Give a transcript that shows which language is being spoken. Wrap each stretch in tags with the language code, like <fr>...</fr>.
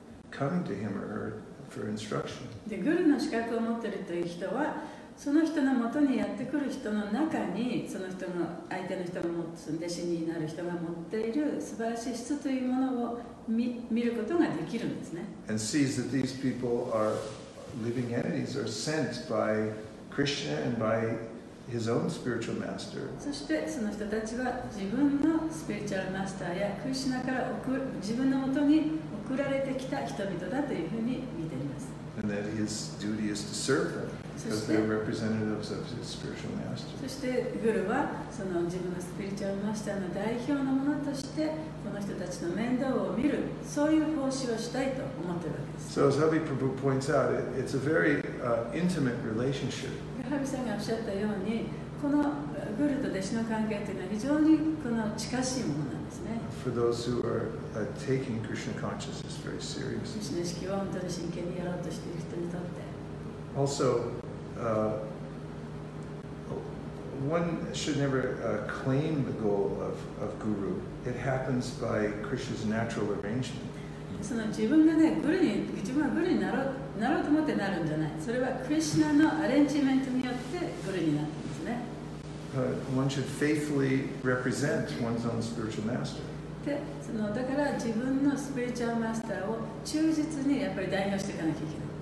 <en>coming to him or her for instruction.</en> <ja>で、グルの資格を持っているという人は、その人のもとにやってくる人の中に、その人の相手の人が持つ弟子になる人が持っている素晴らしい質というものを 見ることができるんですね。</ja> <en>And sees that these people are living entities are sent by Krishna and by his own spiritual master.</en> <ja>そしてその人たちは自分のスピリチュアルマスターやクリシナから自分のもとに送られてきた人々だというふうに見ています。</ja> <en>And that his duty is to serve them. Because they're representatives of his spiritual master.</en> <ja>そしてグルはその自分のスピリチュアルマスターの代表のものとしてこの人たちの面倒を見るそういう奉仕をしたいと思っているわけです。</ja> <en>So as Abhi Prabhu points out, it's a very intimate relationship.</en> <ja>ハビさんがおっしゃったようにこのグルと弟子の関係というのは非常にこの近しいものなんですね。</ja> <en>For those who are taking Krishna consciousness very seriously.</en> <ja>クリシナ意識を本当に真剣にやろうとしている人にとって。</ja> <en>Also,one should never claim the goal of guru. It happens by Krishna's natural arrangement.</en> <ja>その自分がね、グルに、自分はグルになろう、なろうと思ってなるんじゃない。それはクリシナのアレンジメントによってグルになったんですね。</ja> <en>One should faithfully represent one's own spiritual master.</en> <ja>で、そのだから自分のスピリチュアルマスターを忠実にやっぱり代表していかなきゃいけない。</ja>